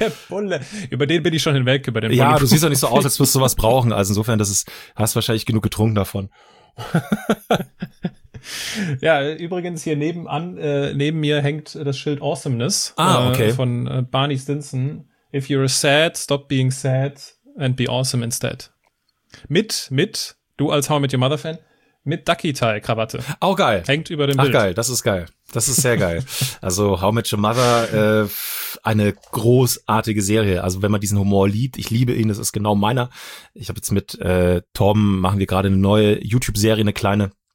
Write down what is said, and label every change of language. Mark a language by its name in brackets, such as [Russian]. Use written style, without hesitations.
[German] Der Bulle, über den bin ich schon hinweg, über den Ja, du siehst doch nicht so aus, als wirst du was brauchen. Also insofern, hast wahrscheinlich genug getrunken davon. Ja, übrigens hier nebenan, neben mir hängt das Schild Awesomeness von Barney Stinson. [English] If you're sad, stop being sad and be awesome instead. [German] Mit, du als How I Met Your Mother Fan, mit Ducky Tie Krawatte. Auch geil. Hängt über dem Ach, Bild. Ach geil, das ist geil. Das ist sehr geil. Also How I Met Your Mother, eine großartige Serie. Also wenn man diesen Humor liebt, ich liebe ihn, das ist genau meiner. Ich habe jetzt mit Torben, machen wir gerade eine neue YouTube-Serie, eine kleine.